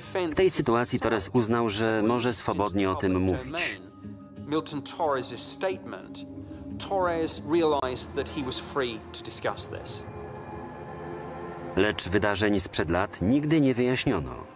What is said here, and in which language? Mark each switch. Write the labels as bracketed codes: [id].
[pl] W tej sytuacji Torres uznał, że może swobodnie o tym mówić. [en] Milton Torres' statement. Torres realized that he was free to discuss this. [pl] Lecz wydarzeń sprzed lat nigdy nie wyjaśniono.